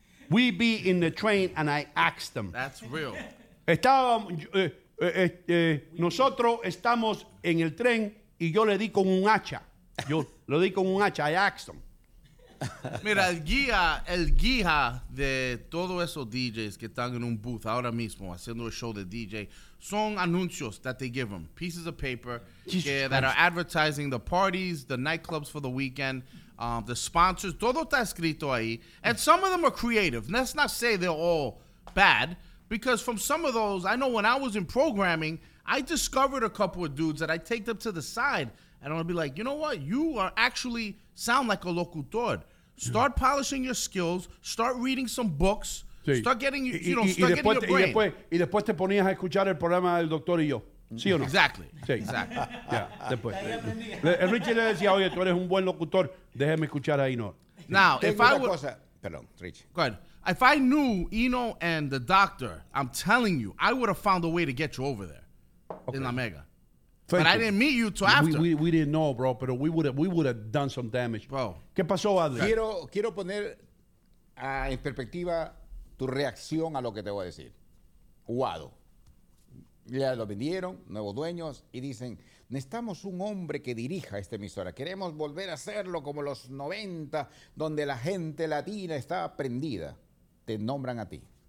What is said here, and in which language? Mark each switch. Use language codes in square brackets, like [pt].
[en] We be in the train and I asked them. That's real. [es] Nosotros estamos en el tren y yo le di con un hacha. Yo lo di con un hacha. [en] I asked them. [es] Mira, el guía de todos esos DJs que están en un booth ahora mismo haciendo el show de DJ son anuncios [en] that they give them. Pieces of paper that are advertising the parties, the nightclubs for the weekend, the sponsors. [es] Todo está escrito ahí. [en] And some of them are creative. Let's not say they're all bad. Because from some of those, I know when I was in programming, I discovered a couple of dudes that I take them to the side. And I'll be like, you know what? You are actually sound like a locutor. Start polishing your skills. Start reading some books. [es] Sí. [en] Start getting, getting your brain. [es] Y después te ponías a escuchar el programa del doctor y yo. ¿Sí o no? [en] Exactly. [es] Sí. [en] Exactly. Yeah. Después. [es] El Richie le decía, oye, tú eres un buen locutor. Déjame escuchar a Eno. [en] Now, [es] Perdón, Richie. [en] Go ahead. If I knew Eno and the doctor, I'm telling you, I would have found a way to get you over there in La Mega. Thank but you. I didn't meet you till after. We didn't know, bro, but we would have done some damage. Bro. [es] ¿Qué pasó, Adler? Quiero poner en perspectiva tu reacción a lo que te voy a decir. Guado. Ya lo vendieron, nuevos dueños, y dicen, necesitamos un hombre que dirija esta emisora. Queremos volver a hacerlo como los 90, donde la gente latina estaba prendida. Te nombran a ti.